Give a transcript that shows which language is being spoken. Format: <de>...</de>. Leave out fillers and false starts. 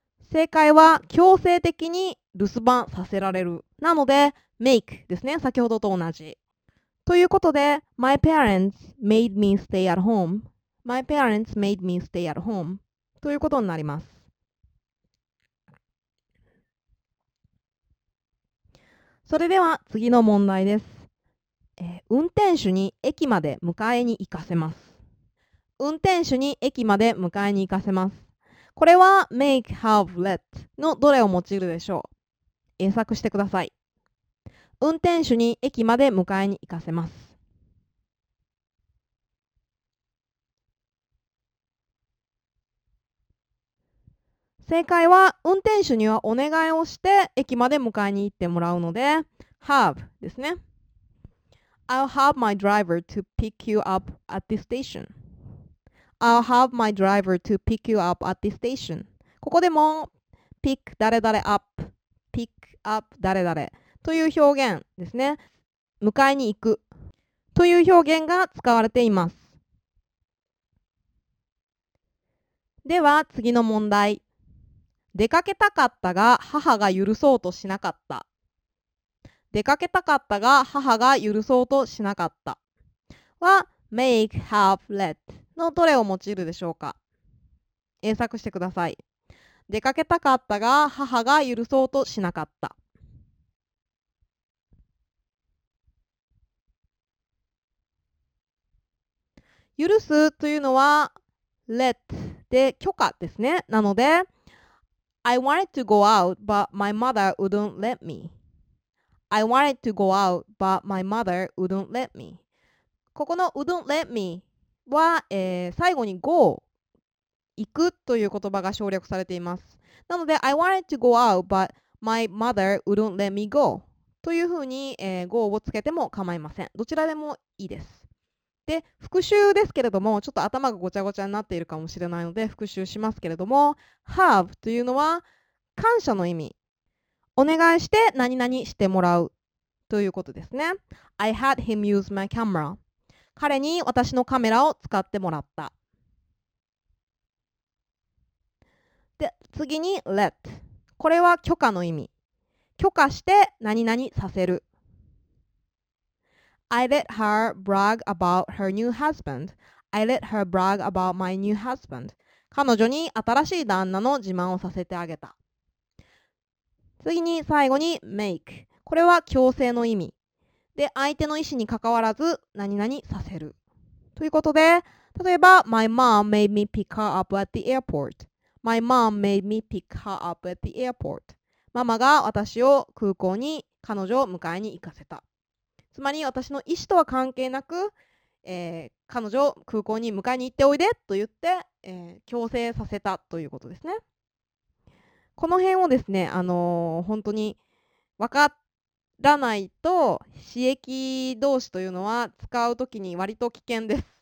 <ja>正解は強制的に留守番させられる、なので make ですね、先ほどと同じということで、</ja> <en>My parents made me stay at home. My parents made me stay at home ということになります。</en> <ja>それでは次の問題です。運転手に駅まで迎えに行かせます。運転手に駅まで迎えに行かせます。これは make, have, let のどれを用いるでしょう。英作してください。運転手に駅まで迎えに行かせます。正解は運転手にはお願いをして駅まで迎えに行ってもらうので have ですね。</ja> <en>I'll have my driver to pick you up at the station. I'll have my driver to pick you up at the station.</en> <ja>ここでも pick 誰々 up、 pick up 誰々という表現ですね。迎えに行くという表現が使われています。では次の問題。出かけたかったが母が許そうとしなかった。出かけたかったが母が許そうとしなかったは make, have, let のどれを用いるでしょうか。英作してください。出かけたかったが母が許そうとしなかった。許すというのは let で許可ですね。</ja> <en>なので I wanted to go out but my mother wouldn't let me. I wanted to go out but my mother wouldn't let me.</en> <ja>ここの</ja> <en>wouldn't let me</en> <ja>は、最後に go 行くという言葉が省略されています。なので</ja> <en>I wanted to go out but my mother wouldn't let me go</en> <ja>というふうに、go をつけても構いません。どちらでもいいです。で、復習ですけれども、ちょっと頭がごちゃごちゃになっているかもしれないので復習しますけれども、 have というのは感謝の意味、お願いして何々してもらうということですね。</ja> <en>I had him use my camera.</en> <ja>彼に私のカメラを使ってもらった。で、次に let、 これは許可の意味、許可して何々させる。</ja> <en>I let her brag about her new husband. I let her brag about my new husband.</en> <ja>彼女に新しい旦那の自慢をさせてあげた。次に最後に make。これは強制の意味で、相手の意思に関わらず何々させるということで、例えば</ja> <en>My mom made me pick her up at the airport. My mom made me pick her up at the airport.</en> <ja>ママが私を空港に彼女を迎えに行かせた。つまり私の意思とは関係なく、彼女を空港に迎えに行っておいでと言って、強制させたということですね。この辺をですね、本当に分からないと、使役動詞というのは使うときに割と危険です。</ja>